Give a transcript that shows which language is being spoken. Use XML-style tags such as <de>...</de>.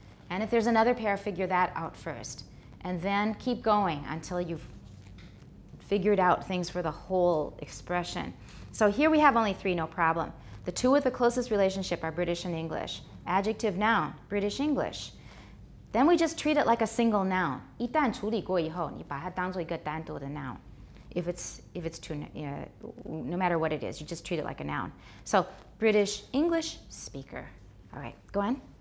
<en>And if there's another pair, figure that out first. And then keep going until you've figured out things for the whole expression. So here we have only three, no problem. The two with the closest relationship are British and English. Adjective, noun, British English. Then we just treat it like a single noun.</en> <zh>一旦处理过以后，你把它当做一个单独的 noun.</zh> <en>If it's two, no matter what it is, you just treat it like a noun. So British English speaker. All right, go on.</en>